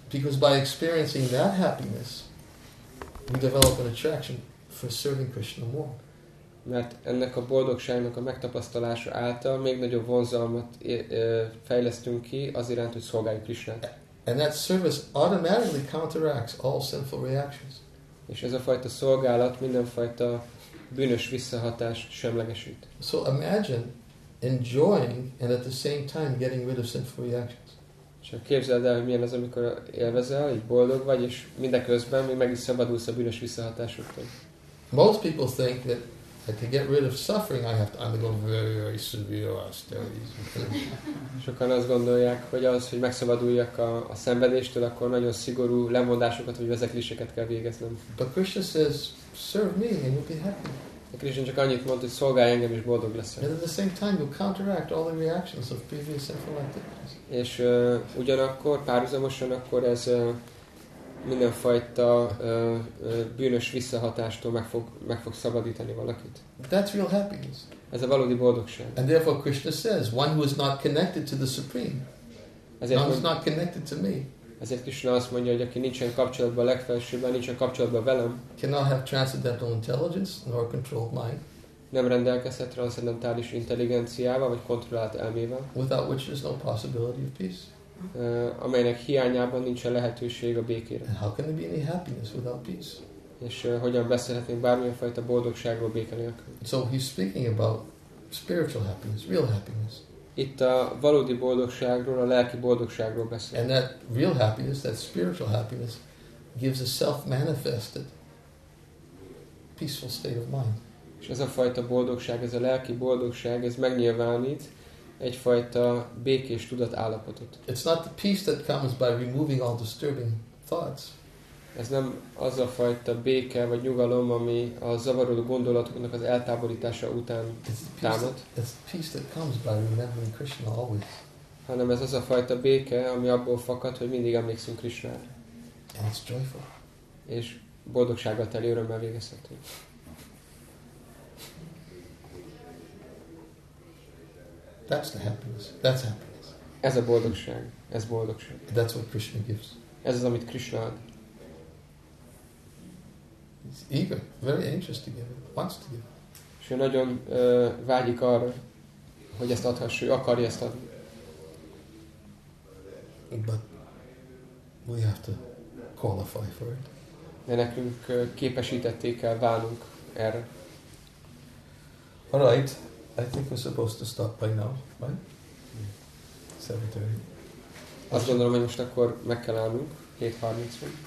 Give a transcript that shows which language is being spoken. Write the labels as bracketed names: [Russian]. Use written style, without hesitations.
[English] Because by experiencing that happiness, we develop an attraction for serving Krishna more. [Hungarian] Mert ennek a boldogságnak a megtapasztalása által még nagyobb vonzalmat fejlesztünk ki az iránt, hogy szolgáljuk Krisnát. [English] And that service automatically counteracts all sinful reactions. [Hungarian] És ez a fajta szolgálat mindenfajta bűnös visszahatást semlegesít. [English] So imagine enjoying and at the same time getting rid of sinful reactions. [Hungarian] Csak képzeld el, hogy milyen az, amikor élvezel, így boldog vagy, és mindeközben még meg is szabadulsz a bűnös visszahatásoktól. [English] Most people think that and to get rid of suffering, I have to undergo very, very severe austerities. [Hungarian] Sokan azt gondolják, hogy az, hogy megszabaduljak a szenvedéstől, akkor nagyon szigorú lemondásokat vagy vezetéseket kell végeznem. [English] But Krishna says, serve me and you'll be happy. [Hungarian] A Krishna csak annyit mond, hogy szolgálj engem és boldog leszel. [English] And at the same time, you counteract all the reactions of previous sinful activities. [Hungarian] És ugyanakkor, párhuzamosan akkor ez mindenfajta bűnös visszahatástól meg fog szabadítani valakit. [English] That's real happiness. [Hungarian] Ez a valódi boldogság. [English] And therefore Krishna says, one who is not connected to the Supreme, one who is not connected to me, [Hungarian] ezért Krishna azt mondja, hogy aki nincsen kapcsolatban a legfelsőbben, nincsen kapcsolatban velem, [English] cannot have transcendental intelligence nor controlled mind, [Hungarian] nem rendelkezhet transzendentális intelligenciával vagy kontrollált elmével, [English] without which there is no possibility of peace. [Hungarian] Amelynek hiányában nincs lehetőség a békére. [English] And how can there be any happiness without peace? [Hungarian] És hogyan beszélhetünk bármilyen fajta boldogságról béke nélkül? [English] So he's speaking about spiritual happiness, real happiness. [Hungarian] Itt a valódi boldogságról, a lelki boldogságról beszél. [English] And that real happiness, that spiritual happiness gives a self-manifested peaceful state of mind. [Hungarian] És ez a fajta boldogság, ez a lelki boldogság, ez megnyilvánít egyfajta békés tudat állapotot. [English] It's not the peace that comes by removing all disturbing thoughts. [Hungarian] Ez nem az a fajta béke vagy nyugalom, ami a zavaró gondolatoknak az eltávolítása után támad. [English] It's the peace that comes by remembering Krishna always. [Hungarian] Hanem ez az a fajta béke, ami abból fakad, hogy mindig emlékszünk Krishnára. [English] And it's joyful. [Hungarian] És boldogsággal teli örömmel végezhető. [English] That's the happiness. That's happiness. [Hungarian] Ez a boldogság. Ez boldogság. [English] That's what Krishna gives. [Hungarian] Ez az, amit Krishna ad. [English] He's eager, very anxious to give it, wants to give it. [Hungarian] És ő nagyon vágyik arra, hogy ezt adhassa, akarja ezt adni. [English] But we have to qualify for it. [Hungarian] De nekünk képesítetté kell válnunk erre. [English] All right. I think we're supposed to stop by now, right? 7:30. [Hungarian] Azt gondolom, hogy most akkor meg kell állnunk, 7:30-ig.